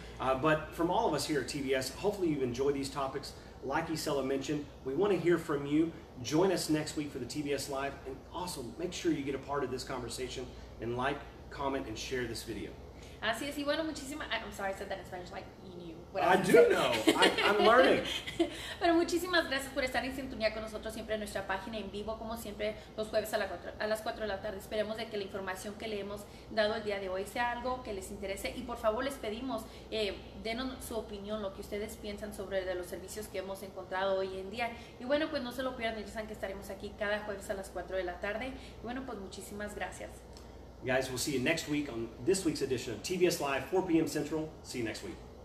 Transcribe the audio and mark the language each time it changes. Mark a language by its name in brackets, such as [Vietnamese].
[English] But from all of us here at TBS, hopefully you've enjoyed these topics. Like Isela mentioned, we want to hear from you. Join us next week for the TBS Live. And also, make sure you get a part of this conversation and like, comment, and share this video. [Spanish] Así es, y bueno, muchísimas, [English] I'm sorry I said that in Spanish, like you knew. I'm learning. [Spanish] Pero muchísimas gracias por estar en sintonía con nosotros siempre en nuestra página en vivo, como siempre, los jueves a las 4 de la tarde. Esperemos de que la información que le hemos dado el día de hoy sea algo que les interese. Y por favor, les pedimos, denos su opinión, lo que ustedes piensan sobre de los servicios que hemos encontrado hoy en día. Y bueno, pues no se lo pierdan, ya saben que estaremos aquí cada jueves a las 4 de la tarde. Y bueno, pues muchísimas gracias. [English] Guys, we'll see you next week on this week's edition of TBS Live, 4 p.m. Central. See you next week.